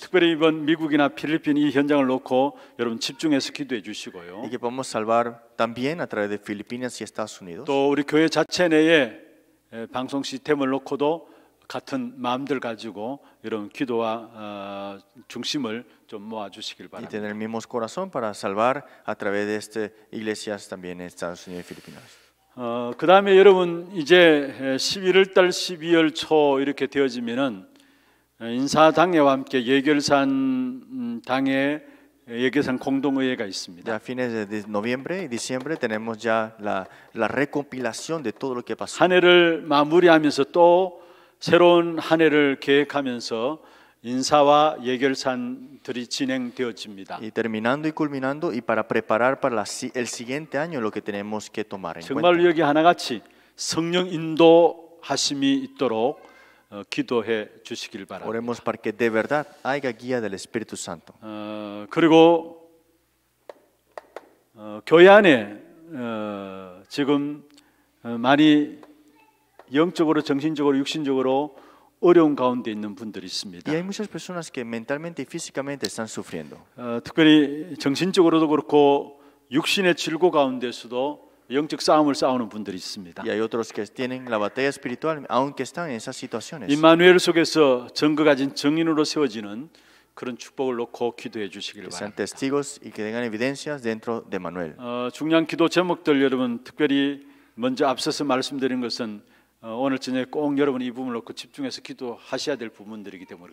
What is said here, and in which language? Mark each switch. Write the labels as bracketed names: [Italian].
[Korean] 특별히 이번 미국이나 필리핀 이 현장을 놓고 여러분 집중해서 기도해 주시고요. [Spanish] Y que podamos salvar también a través de Filipinas y Estados Unidos. [Korean] 또 우리 교회 자체 내에 방송 시스템을 놓고도 같은 마음들 가지고 이런 기도와 중심을 좀 모아 주시길 바랍니다. [Spanish] Y tener el mismo corazón para salvar a través de este iglesias también en Estados Unidos y Filipinas. [Korean] 그다음에 여러분 이제 11월 달 12월 초 이렇게 되어지면은 인사 당회와 함께 예결산 당회 예결산 공동의회가 있습니다. [Spanish] A fines de noviembre y diciembre tenemos ya la recopilación de todo lo que pasó. [Korean] 한 해를 마무리하면서 또 새로운 한 해를 계획하면서 인사와 예결산들이 진행되어집니다. [Spanish] Y terminando y culminando y para preparar para el siguiente año lo que tenemos que tomar en cuenta. [Korean] 정말 여기 하나같이 성령 인도하심이 있도록 기도해 주시길 바랍니다. [Spanish] Oremos para que de verdad haya guía del Espíritu Santo. [Korean] 그리고 교회 안에 지금 많이 영적으로 정신적으로 육신적으로 어려운 가운데 있는 분들이 있습니다. [Spanish] Y hay muchas personas que mentalmente y físicamente están sufriendo. [Korean] 특별히 정신적으로도 그렇고 육신의 질고 가운데서도 영적 싸움을 싸우는 분들이 있습니다. [Spanish] Y hay otros que tienen la batalla espiritual aunque están en esas situaciones. [Korean] 임마누엘 속에서 증거 가진 증인으로 세워지는 그런 축복을 놓고 기도해 주시기를 바랍니다. [Spanish] Sean testigos y que tengan evidencias dentro de Manuel. [Korean] 중요한 기도 제목들 여러분 특별히 먼저 앞서서 말씀드린 것은 오늘 저녁에 꼭 여러분 이 부분을 놓고 집중해서 기도하셔야 될 부분들이기 때문에